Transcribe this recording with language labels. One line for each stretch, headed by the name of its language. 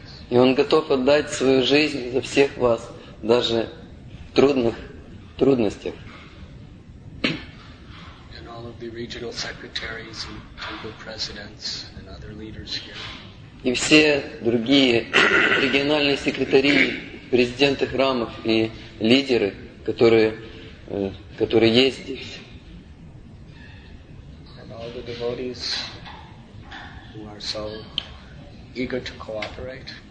Russian: И он готов отдать свою жизнь за всех вас, даже в трудных трудностях.
English: And all of the regional secretaries and temple presidents and other leaders here.
Russian: И все другие региональные секретари, президенты храмов и лидеры, которые есть здесь.
English: And all the devotees who are so eager to cooperate.